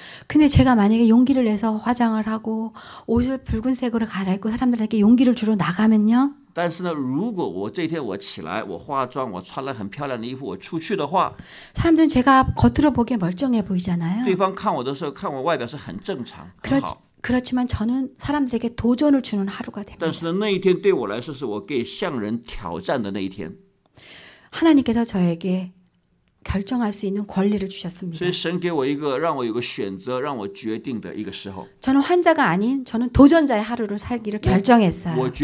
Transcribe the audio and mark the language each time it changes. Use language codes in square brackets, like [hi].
[ko] 근데 제가 만약에 용기를 내서 화장을 하고 옷을 붉은색으로 갈아입고 사람들에게 용기를 주러 나가면요. [zh] 但是呢，如果我这天我起来，我化妆，我穿了很漂亮的衣服，我出去的话， [ko] 사람들은 제가 겉으로 보기에 멀쩡해 보이잖아요. [zh] 对方看我的时候，看我外表是很正常， [ko] 그렇지. 그렇지만 저는 사람들에게 도전을 주는 하루가 됩니다. [zh] 但是呢，那一天对我来说是我给向人挑战的那一天。 [ko] 하나님께서 저에게 결정할 수 있는 권리를 주셨습니다. [zh] 所以神给我一个让我有个选择，让我决定的一个时候。 [ko] 저는 환자가 아닌 저는 도전자의 하루를 살기를 결정했어요.